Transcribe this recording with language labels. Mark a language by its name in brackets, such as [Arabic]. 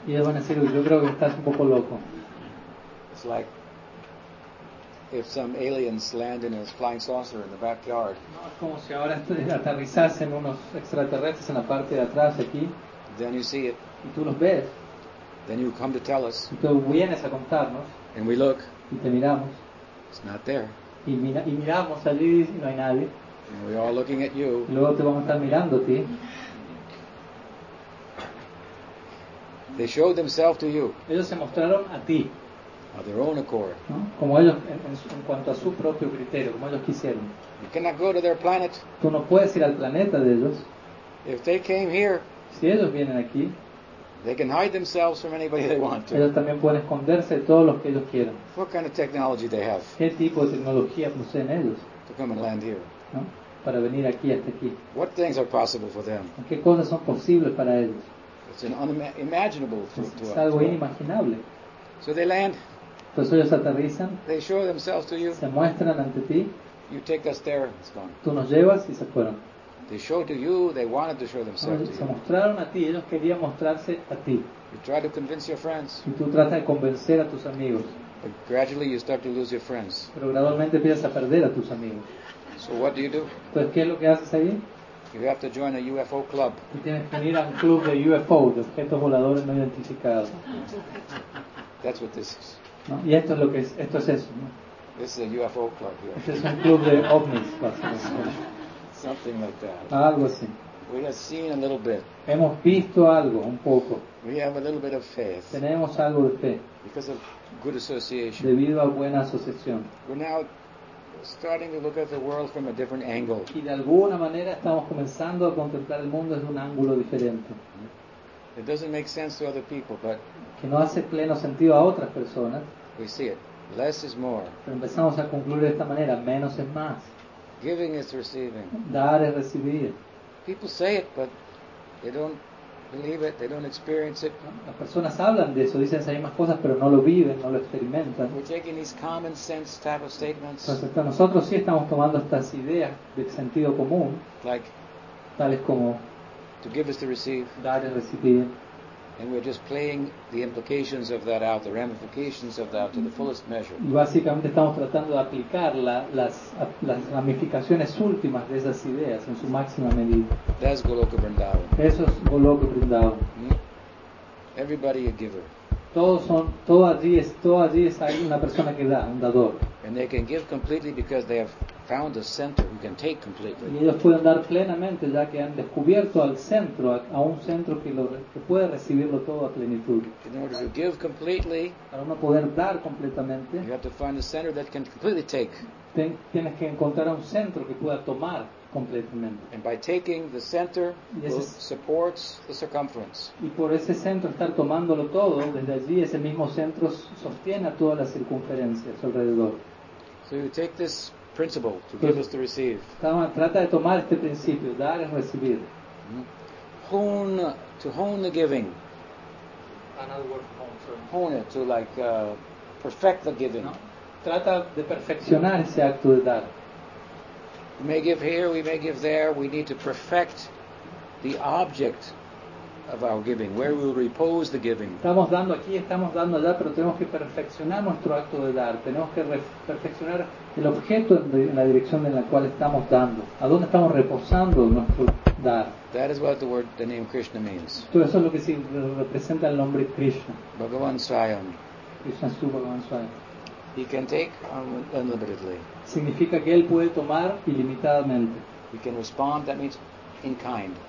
[Spanish] Y ellos van a decir, yo creo que estás un poco loco. [English] It's like if some aliens land in a flying saucer in the backyard. [Spanish] Como si ahora aterrizasen unos extraterrestres en la parte de atrás aquí. [English] Then you see it. [Spanish] Y tú los ves. [English] Then you come to tell us. [Spanish] Y tú vienes a contarnos. [English] And we look. [Spanish] Y te miramos. [English] It's not there. [Spanish] Y miramos allí y no hay nadie. [English] And we're all looking at you. [Spanish] Y luego te vamos a estar mirando a ti. [English] They showed themselves to you. [Spanish] Ellos se mostraron a ti. [English] Of their own accord. [Spanish] ¿No? Como ellos, en cuanto a su propio criterio, como ellos quisieron. [English] You cannot go to their planet. [Spanish] Tú no puedes ir al planeta de ellos. [English] If they came here, [Spanish] si ellos vienen aquí, [English] they can hide themselves from anybody they want to. [Spanish] Ellos también pueden esconderse de todos los que ellos quieran. [English] What kind of technology they have? [Spanish] ¿Qué tipo de tecnología poseen ellos? [English] To come and land here. [Spanish] ¿No? Para venir aquí hasta aquí. [English] What things are possible for them? [Spanish] ¿Qué cosas son posibles para ellos? [English] It's an unimaginable to us. [Spanish] Es algo inimaginable. [English] So they land. [Spanish] Entonces ellos aterrizan, [English] they show themselves to you. [Spanish] Se muestran ante ti. [English] You take us there, it's gone. [Spanish] Tú nos llevas y se fueron. [English] They show to you, they wanted to show themselves to you. [Spanish] Se mostraron a ti, ellos querían mostrarse a ti. [English] You try to convince your friends. [Spanish] Y tú tratas de convencer a tus amigos. [English] But gradually you start to lose your friends. [Spanish] Pero gradualmente empiezas a perder a tus amigos. [English] So what do you do? [Spanish] Pues, ¿qué es lo que haces ahí? [English] You have to join a UFO club. [Spanish] Y tienes que unir a un club de UFO, de objetos voladores no identificados. [English] That's what this is. [Spanish] ¿No? Y esto es lo que es, esto es eso, ¿no? [English] This is a UFO club here. [Spanish] Este es un club de ovnis, básicamente. [English] Something like that. [Spanish] Algo así. [English] We have seen a little bit. [Spanish] Hemos visto algo, un poco. [English] We have a little bit of faith. [Spanish] Tenemos algo de fe. [English] Because of good association. [Spanish] Debido a buena asociación. [English] We're now starting to look at the world from a different angle. [Spanish] Y de alguna manera estamos comenzando a contemplar el mundo desde un ángulo diferente. [English] It doesn't make sense to other people, but [Spanish] que no hace pleno sentido a otras personas. [English] We see it. Less is more. [Spanish] Pero empezamos a concluir de esta manera. Menos es más. [English] Giving is receiving. [Spanish] Dar es recibir. [English] People say it, but they don't believe it. They don't experience it. [Spanish] Las personas hablan de eso, dicen esas mismas cosas, pero no lo viven, no lo experimentan. [English] We're taking these common sense type of statements. [Spanish] Entonces, nosotros sí estamos tomando estas ideas de sentido común, [English] like, [Spanish] tales como [English] to give is to receive. [Spanish] Dar es recibir. [English] And we're just playing the implications of that out, the ramifications of that, to the fullest measure. [Spanish] Y básicamente estamos tratando de aplicar las ramificaciones últimas de esas ideas en su máxima medida. [English] That's Goloka Vrindavan. [Spanish] Eso es Goloka Vrindavan. [English] Everybody a giver. [Spanish] Todo allí es una persona que da, un dador. [English] And they can give completely because they have found a center who can take completely. [Spanish] Y ellos pueden dar plenamente ya que han descubierto al centro, a un centro que puede recibirlo todo a plenitud. [English] In order to give completely, [Spanish] para uno poder dar completamente, [English] you have to find a center that can completely take. [Spanish] Tienes que encontrar un centro que pueda tomar completamente. [English] And by taking the center, supports the circumference. [Spanish] Y por ese centro estar tomándolo todo, desde allí ese mismo centro sostiene a todas las circunferencias alrededor. [English] So you take this principle to give us to receive. [Spanish] Trata de tomar este principio, dar es recibir. [English] To hone the giving. Another word for hone, sorry. Hone it to like perfect the giving. [Spanish] No. Trata de perfeccionar ese acto de dar. [English] We may give here, we may give there. We need to perfect the object of our giving, where we will repose the giving. [Spanish] Estamos dando aquí, estamos dando allá, pero tenemos que perfeccionar nuestro acto de dar. Tenemos que perfeccionar el objeto en la dirección en la cual estamos dando. ¿A dónde estamos reposando nuestro dar? [English] That is what the name Krishna means. [Spanish] Todo eso es lo que representa el nombre Krishna. [Sanskrit] Bhagavan Swayam. [Spanish] Krishna es tu Bhagavan Swayam. [English] He can take unlimitedly. [Spanish] Significa que él puede tomar ilimitadamente. [English] He can respond, that means in kind.